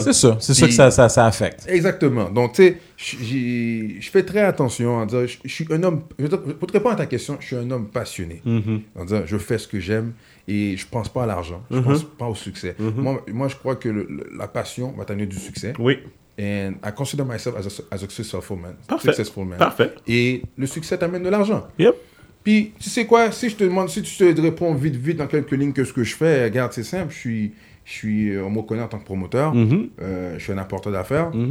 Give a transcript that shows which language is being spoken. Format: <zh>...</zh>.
<fr>C'est sûr. C'est sûr que ça affecte. Exactement. Donc, tu sais, je fais très attention à dire, je suis un homme. Pour te répondre à ta question, je suis un homme passionné. Mm-hmm. En disant, je fais ce que j'aime. Et je ne pense pas à l'argent, je ne pense pas au succès. Mm-hmm. Moi, je crois que la passion va t'amener du succès. Oui.</fr> <en>And I consider myself as a successful man.</en> <fr>Parfait.</fr> <en>Successful man.</en> <fr>Parfait. Et le succès t'amène de l'argent.</fr> <en>Yep.</en> <fr>Puis, tu sais quoi, si je te demande, si tu te réponds vite, vite, dans quelques lignes, que ce que je fais, regarde, c'est simple, je suis on me connaît en tant que promoteur, je suis un apporteur d'affaires.</fr>